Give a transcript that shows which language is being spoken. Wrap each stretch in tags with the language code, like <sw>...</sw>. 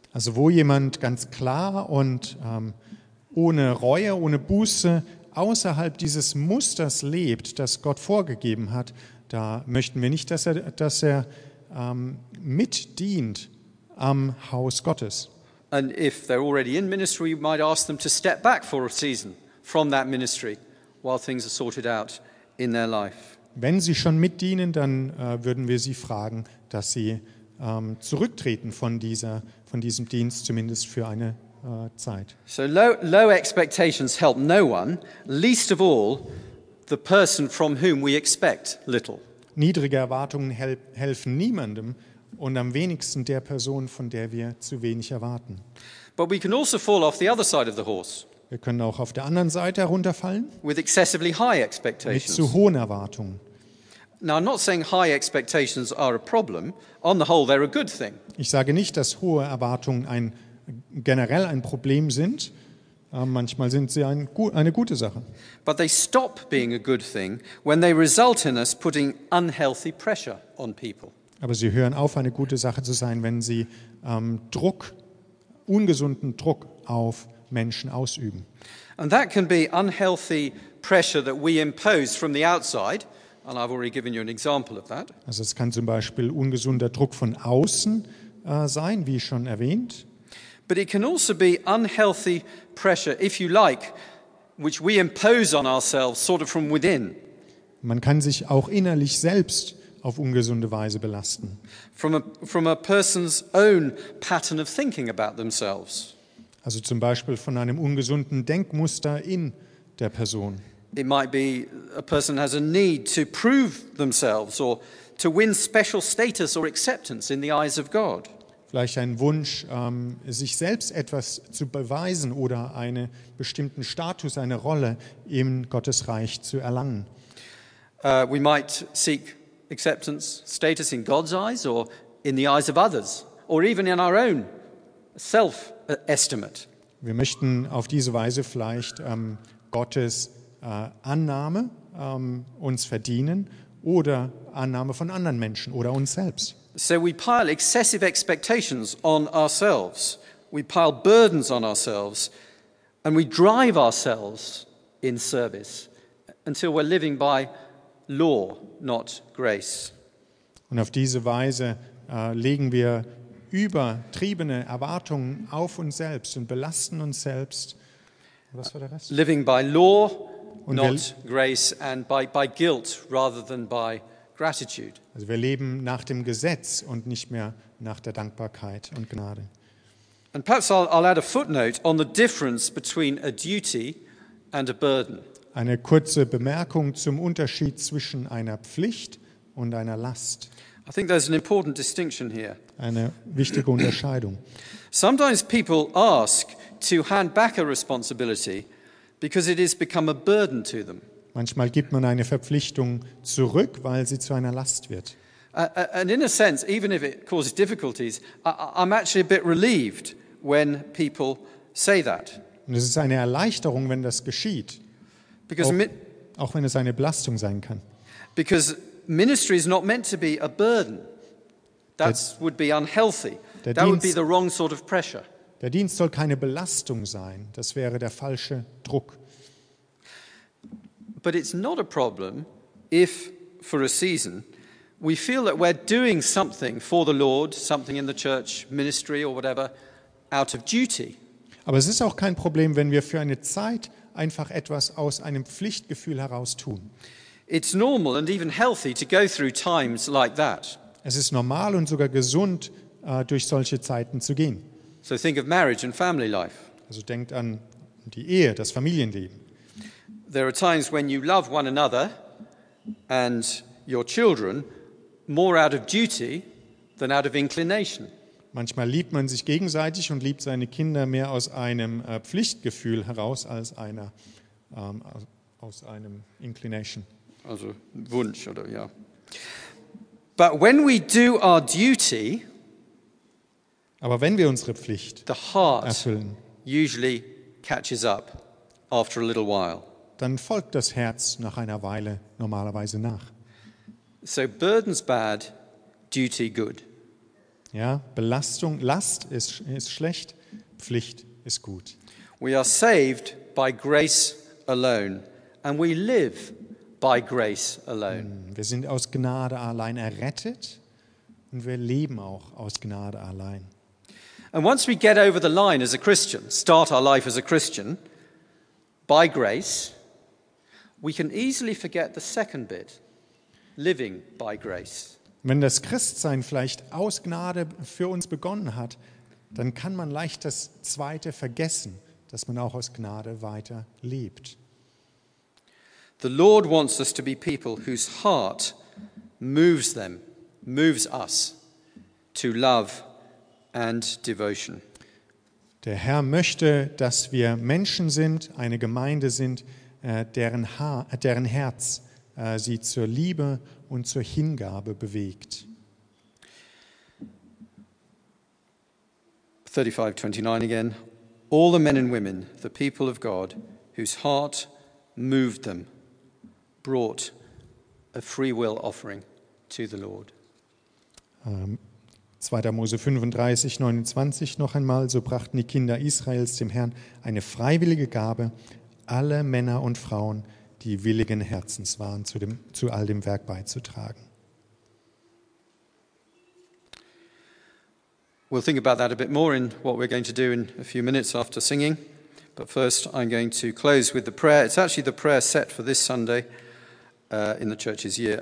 <de>Also wo jemand ganz klar und ohne Reue, ohne Buße außerhalb dieses Musters lebt, das Gott vorgegeben hat, da möchten wir nicht, dass er mitdient am Haus Gottes.</de> <en>And if they're already in ministry, we might ask them to step back for a season from that ministry while things are sorted out in their life.</en> <de>Wenn sie schon mitdienen, dann würden wir sie fragen, dass sie zurücktreten von diesem Dienst, zumindest für eine Zeit.</de> <en>So low expectations help no one, least of all the person from whom we expect little.</en> <de>Niedrige Erwartungen helfen niemandem und am wenigsten der Person, von der wir zu wenig erwarten.</de> <en>But we can also fall off the other side of the horse.</en> <de>Wir können auch auf der anderen Seite herunterfallen.</de> <en>With excessively high expectations.</en> <de>Mit zu hohen Erwartungen.</de> <en>Now I'm not saying high expectations are a problem. On the whole, they're a good thing.</en> <de>Ich sage nicht, dass hohe Erwartungen generell ein Problem sind. Manchmal sind sie eine gute Sache.</de> <en>But they stop being a good thing when they result in us putting unhealthy pressure on people.</en> <de>Aber sie hören auf, eine gute Sache zu sein, wenn sie Druck, ungesunden Druck auf Menschen ausüben.</de> <en>And that can be unhealthy pressure that we impose from the outside. And I've already given you an example of that.</en> <de>Also es kann zum Beispiel ungesunder Druck von außen sein, wie schon erwähnt.</de> <en>But it can also be unhealthy pressure, if you like, which we impose on ourselves, sort of from within.</en> <de>Man kann sich auch innerlich selbst auf ungesunde Weise belasten.</de> <en>From a person's own pattern of thinking about themselves.</en> <de>Also zum Beispiel von einem ungesunden Denkmuster in der Person.</de> <en>It might be a person has a need to prove themselves or to win special status or acceptance in the eyes of God.</en> <de>Vielleicht ein Wunsch, sich selbst etwas zu beweisen oder einen bestimmten Status, eine Rolle im Gottesreich zu erlangen.</de> <en>We might seek acceptance, status in God's eyes or in the eyes of others or even in our own self-estimate.</en> <de>Wir möchten auf diese Weise vielleicht Gottes Annahme uns verdienen oder Annahme von anderen Menschen oder uns selbst.</de> <en>So we pile excessive expectations on ourselves. We pile burdens on ourselves and we drive ourselves in service until we're living by law, not grace.</en> <de>Und auf diese Weise legen wir übertriebene Erwartungen auf uns selbst und belasten uns selbst. Was war der Rest?</de> <en>Living by law, not grace, and by guilt rather than by gratitude.</en> <de>Also wir leben nach dem Gesetz und nicht mehr nach der Dankbarkeit und Gnade.</de> <en>And perhaps I'll add a footnote on the difference between a duty and a burden.</en> <de>Eine kurze Bemerkung zum Unterschied zwischen einer Pflicht und einer Last.</de> <en>I think there's an important distinction here.</en> <de>Eine wichtige Unterscheidung.</de> <en>Sometimes people ask to hand back a responsibility because it has become a burden to them.</en> <de>Manchmal gibt man eine Verpflichtung zurück, weil sie zu einer Last wird.</de> <en>And in a sense, even if it causes difficulties, I'm actually a bit relieved when people say that.</en> <de>Und es ist eine Erleichterung, wenn das geschieht. Auch wenn es eine Belastung sein kann.</de> <en>Because ministry is not meant to be a burden. That would be unhealthy. That would be the wrong sort of pressure.</en> <de>Der Dienst soll keine Belastung sein. Das wäre der falsche Druck.</de> <en>But it's not a problem if for a season we feel that we're doing something for the Lord, something in the church, ministry or whatever, out of duty.</en> <de>Aber es ist auch kein Problem, wenn wir für eine Zeit einfach etwas aus einem Pflichtgefühl heraus tun.</de> <en>It's normal and even healthy to go through times like that.</en> <de>Es ist normal und sogar gesund, durch solche Zeiten zu gehen.</de> <en>So think of marriage and family life.</en> <de>Also denkt an die Ehe, das Familienleben.</de> <en>There are times when you love one another and your children more out of duty than out of inclination.</en> <de>Manchmal liebt man sich gegenseitig und liebt seine Kinder mehr aus einem Pflichtgefühl heraus als einer aus einem Inclination. Also Wunsch oder ja.</de> <en>But when we do our duty,</en> <de>aber wenn wir unsere Pflicht</de> <en>the heart</en> <de>erfüllen,</de> <en>usually catches up after a little while.</en> <de>Dann folgt das Herz nach einer Weile normalerweise nach.</de> <en>So burden's bad, duty good.</en> <de>Ja, Belastung, Last ist schlecht, Pflicht ist gut.</de> <en>We are saved by grace alone and we live by grace alone.</en> <de>Wir sind aus Gnade allein errettet und wir leben auch aus Gnade allein.</de> <en>And once we get over the line as a Christian, start our life as a Christian by grace, we can easily forget the second bit, living by grace.</en> <de>Wenn das Christsein vielleicht aus Gnade für uns begonnen hat, dann kann man leicht das Zweite vergessen, dass man auch aus Gnade weiter lebt.</de> <en>The Lord wants us to be people whose heart moves them, moves us to love and devotion.</en> <de>Der Herr möchte, dass wir Menschen sind, eine Gemeinde sind, deren Herz sie zur Liebe und zur Hingabe bewegt.</de> <en>35:29 again. All the men and women, the people of God, whose heart moved them, brought a free will offering to the Lord. 2.</en> <de>Mose 35, 29 noch einmal, so brachten die Kinder Israels dem Herrn eine freiwillige Gabe, alle Männer und Frauen, die willigen Herzens waren, zu all dem Werk beizutragen.</de> <en>We'll think about that a bit more in what we're going to do in a few minutes after singing. But first I'm going to close with the prayer. It's actually the prayer set for this Sunday in the church's year.</en>